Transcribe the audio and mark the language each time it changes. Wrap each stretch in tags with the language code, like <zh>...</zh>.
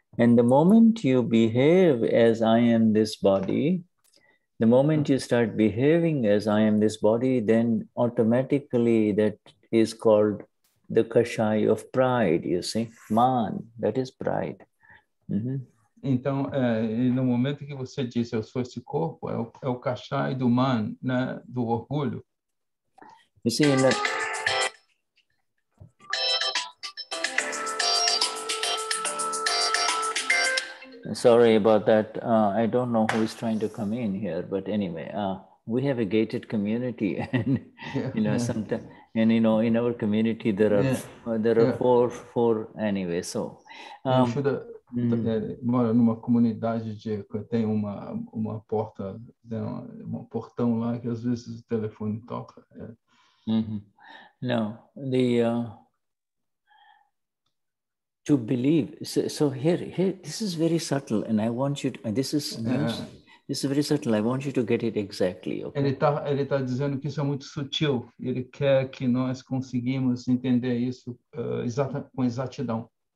<en>And the moment you behave as I am this body, the moment you start behaving as I am this body, then automatically that is called the kashay of pride, you see. Man, that is pride. Mm-hmm.</en> <pt>Então, é, e no momento que você diz eu sou esse corpo, é o, é o kashai do man, né, do orgulho.</pt> <en>You see, in that... Sorry about that. I don't know who is trying to come in here, but anyway, we have a gated community, and yeah, you know, yeah, sometimes, and you know, in our community there are, yeah, there are, yeah, four anyway. So,</en> <pt>mora numa comunidade de que tem uma porta, um portão lá que às vezes o telefone toca.</pt> <en>No, the to believe. So here, this is very subtle, and I want you to, and this is news, yeah, this is very subtle. I want you to get it exactly. Okay?</en> <pt>Ele tá dizendo que isso é muito sutil. Ele quer que nós conseguimos entender isso com exatidão.</pt>